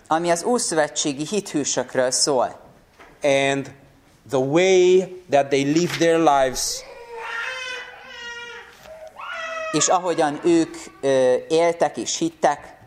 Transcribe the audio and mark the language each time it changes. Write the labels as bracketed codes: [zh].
[hu] Ami az ószövetségi hithősökről szól. [en] And the way that they live their lives. [hu] És ahogyan ők éltek és hittek.